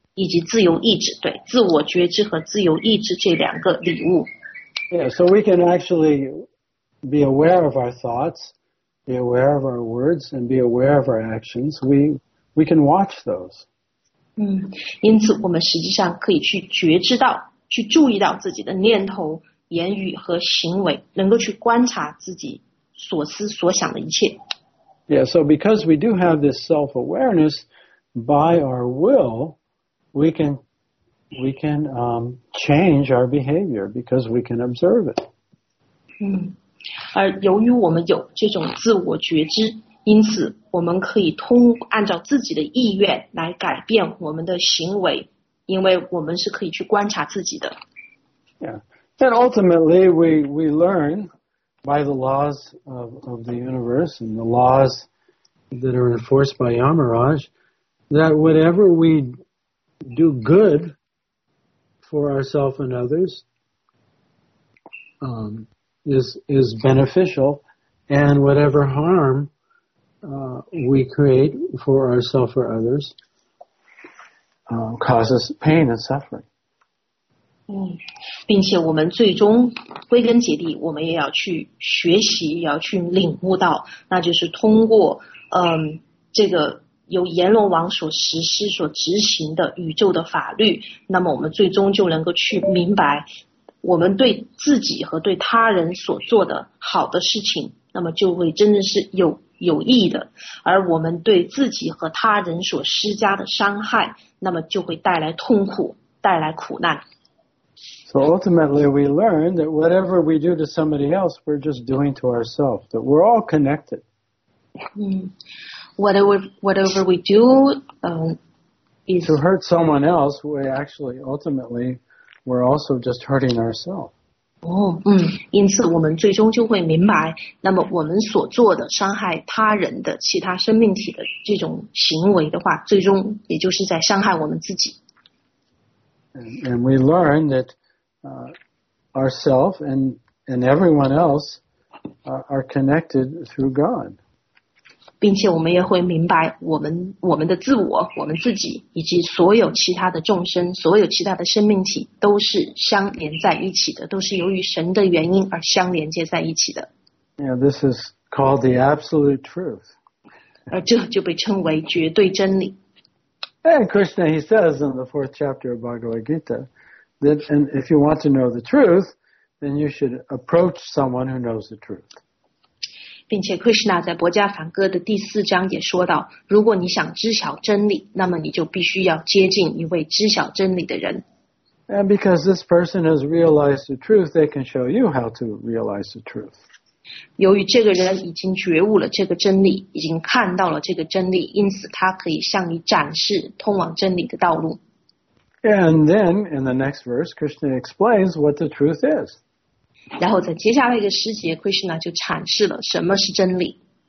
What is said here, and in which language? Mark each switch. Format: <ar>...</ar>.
<zh>以及自由意志，对，自我觉知和自由意志这两个礼物。</zh> <en>Yeah, so we can actually be aware of our thoughts, be aware of our words and be aware of our actions, we can watch those.</en> <zh>因此我们实际上可以去觉知到，去注意到自己的念头、言语和行为，能够去观察自己所思所想的一切。</zh> <en>Yeah, so because we do have this self-awareness, by our will, we can change our behavior because we can observe it.</en> <zh>而由于我们有这种自我觉知，因此我们可以通按照自己的意愿来改变我们的行为，因为我们是可以去观察自己的。</zh> <en>Yeah, and ultimately we learn by the laws of the universe and the laws that are enforced by Yamaraj that whatever we do good for ourselves and others, is beneficial, and whatever harm we create for ourselves or others causes pain and suffering.</en> <zh>并且我们最终归根结底，我们也要去学习，也要去领悟到，那就是通过这个由阎罗王所实施、所执行的宇宙的法律，那么我们最终就能够去明白。我们对自己和对他人所做的好的事情，那么就会真的是有益的，而我们对自己和他人所施加的伤害，那么就会带来痛苦，带来苦难。</zh> <en>So ultimately, we learn that whatever we do to somebody else, we're just doing to ourselves. That we're all connected. Whatever we do, is to hurt someone else, we actually ultimately. We're also just hurting ourselves.</en> <zh>因此我们最终就会明白，那么我们所做的伤害他人的其他生命体的这种行为的话，最终也就是在伤害我们自己。</zh> <en>And we learn that ourselves and everyone else are connected through God.</en> <zh>并且我们也会明白我们的自我、我们自己以及所有其他的众生、所有其他的生命体都是相连在一起的，都是由于神的原因而相连接在一起的。</zh> <en>Yeah, this is called the absolute truth.</en> <zh>而这就被称为绝对真理。</zh> <en>And Krishna, he says in the fourth chapter of Bhagavad Gita, that and if you want to know the truth, then you should approach someone who knows the truth.</en> <zh>并且 Krishna 在博迦梵歌的第四章也说到，如果你想知晓真理，那么你就必须要接近一位知晓真理的人。</zh> <en>And because this person has realized the truth, they can show you how to realize the truth.</en> <zh>由于这个人已经觉悟了这个真理，已经看到了这个真理，因此他可以向你展示通往真理的道路。</zh> <en>And then in the next verse, Krishna explains what the truth is.</en> <zh>然后在接下来一个时节 Krishna 就阐释了什么是真理。</zh>